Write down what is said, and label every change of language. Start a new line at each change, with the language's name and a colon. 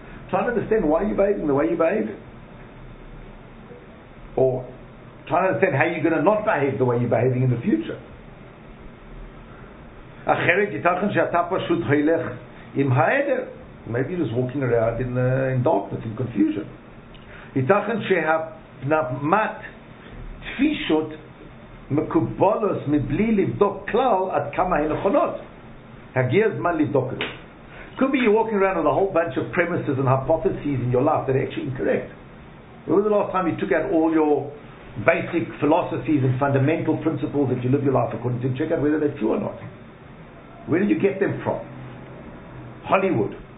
English: Try to understand why you're behaving the way you behave. Or try to understand how you're going to not behave the way you're behaving in the future.
Hebrew: אחרת ייתכן שאתה פשוט הולך עם העדר.
English: Maybe you're just walking around in darkness, in confusion.
Hebrew: ייתכן שהפנמת תפישות מקובלות מבלי לבדוק כלל עד כמה הן נכונות. הגיע הזמן לבדוק את זה.
English: Could be you're walking around with a whole bunch of premises and hypotheses in your life that are actually incorrect. When was the last time you took out all your basic philosophies and fundamental principles that you live your life according to? Check out whether they're true or not. Where did you get them from? Hollywood.